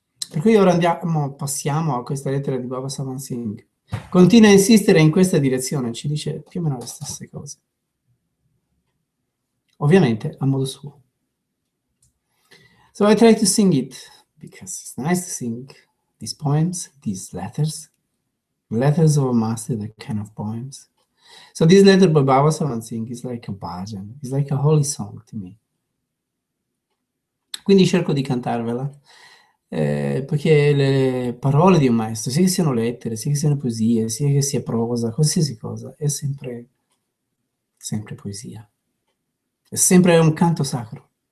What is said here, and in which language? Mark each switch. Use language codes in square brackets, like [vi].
[it] Per cui ora andiamo, passiamo a questa lettera di Baba Sawan Singh. Continua a insistere in questa direzione, ci dice più o meno le stesse cose. Ovviamente a modo suo. [en] So I try to sing it, because it's nice to sing these poems, these letters. Letters of a master, that kind of poems. So this letter by Baba Sawan Singh is like a bhajan, it's like a holy song to me. [it] Quindi cerco di cantarvela. Poiché le parole di un maestro, sia che siano lettere, sia che siano poesie, sia che sia prosa, qualsiasi cosa, è sempre, sempre poesia. È sempre un canto sacro.